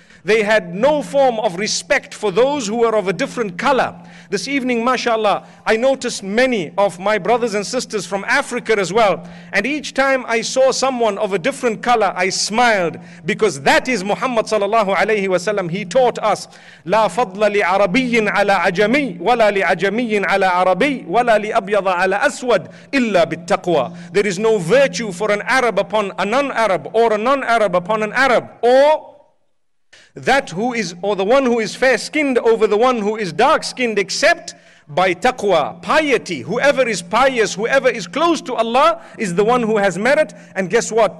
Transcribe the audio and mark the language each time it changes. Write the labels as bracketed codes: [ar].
[en] They had no form of respect for those who were of a different color. This evening, mashallah, I noticed many of my brothers and sisters from Africa as well. And each time I saw someone of a different color, I smiled, because that is Muhammad sallallahu alayhi wa sallam. He taught us, [ar] لا فضل لعربي على عجمي ولا لعجمي على عربي ولا لأبيض على أسود إلا بالتقوى. [en] There is no virtue for an Arab upon a non-Arab, or a non-Arab upon an Arab, or the one who is fair-skinned over the one who is dark-skinned, except by taqwa, piety. Whoever is pious, whoever is close to Allah, is the one who has merit. And guess what?